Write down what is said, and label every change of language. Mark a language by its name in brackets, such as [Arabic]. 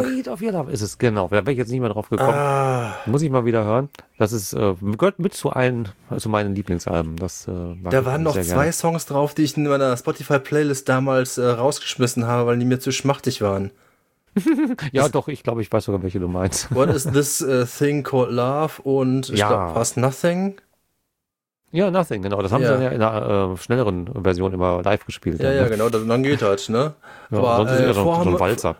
[German] The Rate of Your Love ist es, genau. Da wäre ich jetzt nicht mehr drauf gekommen. Ah. Muss ich mal wieder hören. Das ist, gehört mit zu meinen Lieblingsalben. Das, da waren noch zwei Songs drauf, die ich in meiner Spotify-Playlist damals rausgeschmissen habe, weil die mir zu schmachtig waren. Ja, doch, ich glaube, ich weiß sogar, welche du meinst. [English] What is this thing called love? [German] Und ich glaube, fast nothing. Ja, nothing, genau. Das haben sie dann ja in einer schnelleren Version immer live gespielt. Ja, genau, dann geht das, ne? Aber sonst ist so ein Walzer.